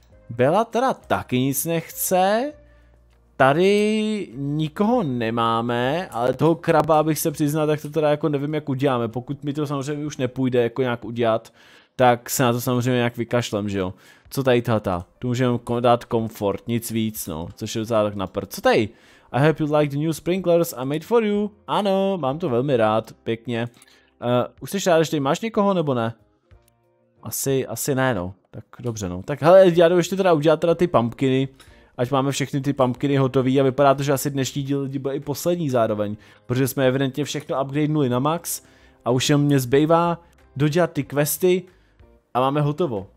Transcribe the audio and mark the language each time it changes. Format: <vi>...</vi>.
<cs>Bela teda taky nic nechce, tady nikoho nemáme, ale toho kraba, abych se přiznal, tak to teda jako nevím, jak uděláme, pokud mi to samozřejmě už nepůjde jako nějak udělat, tak se na to samozřejmě nějak vykašlem, že jo. Co tady tahleta, tu můžeme dát komfort, nic víc, no, což je docela tak na prd. Co tady?</cs> <en>I hope you like the new sprinklers I made for you.</en> <cs>Ano, mám to velmi rád, pěkně. Už jsi rád, že tady máš někoho nebo ne? Asi ne, no. Tak dobře, no. Tak hele, já jdu ještě teda udělat teda ty pumpkiny, ať máme všechny ty pumpkiny hotové a vypadá to, že asi dnešní díl bude i poslední zároveň, protože jsme evidentně všechno upgradenuli na max a už jenom mě zbývá dodělat ty questy a máme hotovo.</cs>